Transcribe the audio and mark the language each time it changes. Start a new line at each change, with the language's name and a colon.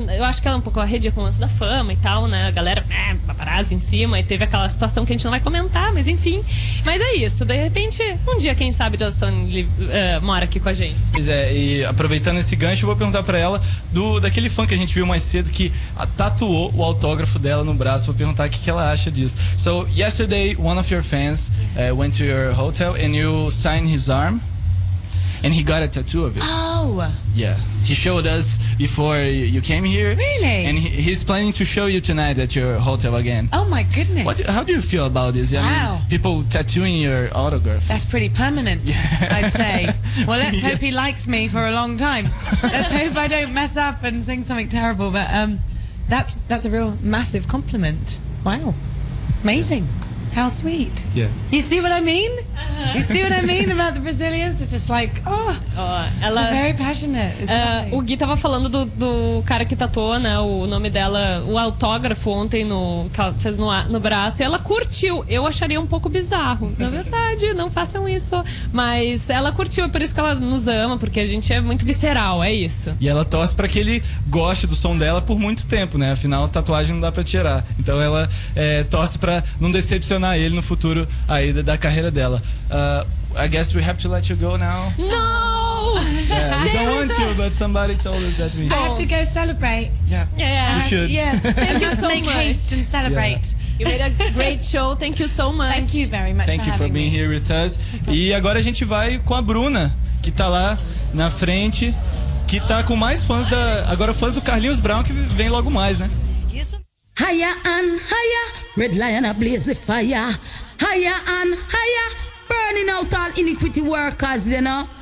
Portuguese: Eu acho que ela é um pouco arredia com o lance da fama e tal, né? A galera, paparazzi em cima, e teve aquela situação que a gente não vai comentar, mas enfim. Mas é isso, de repente, um dia, quem sabe, Joston mora aqui com a gente. Pois é, e aproveitando esse gancho, eu vou perguntar pra ela daquele fã que a gente viu mais cedo que tatuou o autógrafo dela no braço. Vou perguntar o que ela acha disso.
English: So, yesterday, one of your fans went to your hotel and you signed his arm. And he got a tattoo of it. Oh. Yeah. He showed us before you came here. Really? And he's planning to show you tonight at your hotel again. Oh, my goodness. How do you feel about this? Wow. I mean, people tattooing your autograph. That's pretty permanent, I'd say. Well, let's hope he likes me for a long time. Let's hope I don't mess up and sing something terrible. But that's a real massive compliment. Wow. Amazing. Yeah. How sweet. Yeah. You see what I mean? Uh-huh. You see what I mean about the Brazilians? It's just like,
Portuguese: ela,
English: I'm very passionate.
Portuguese: O Gui tava falando do cara que tatuou, né, o nome dela, o autógrafo ontem que ela fez no braço, e ela curtiu. Eu acharia um pouco bizarro. Na verdade, não façam isso. Mas ela curtiu, é por isso que ela nos ama, porque a gente é muito visceral, é isso. E ela torce pra que ele goste do som dela por muito tempo, né? Afinal, tatuagem não dá pra tirar. Então ela torce pra não decepcionar ele no futuro aí da carreira dela.
English: I guess we have to let you go now. No! Yeah, we don't want to, but somebody told us that we... I have to go celebrate. Yeah. Yeah. You should. Yeah. Thank you so make much. Make haste and celebrate. Yeah. You made a great show. Thank you so much. Thank you very much. Thank for you for being Here with us.
Portuguese: E agora a gente vai com a Bruna, que tá lá na frente, que tá com mais fãs da... Agora fãs do Carlinhos Brown, que vem logo mais, né?
English: Higher and higher, red lion ablaze the fire. Higher and higher, burning out all iniquity workers, you know.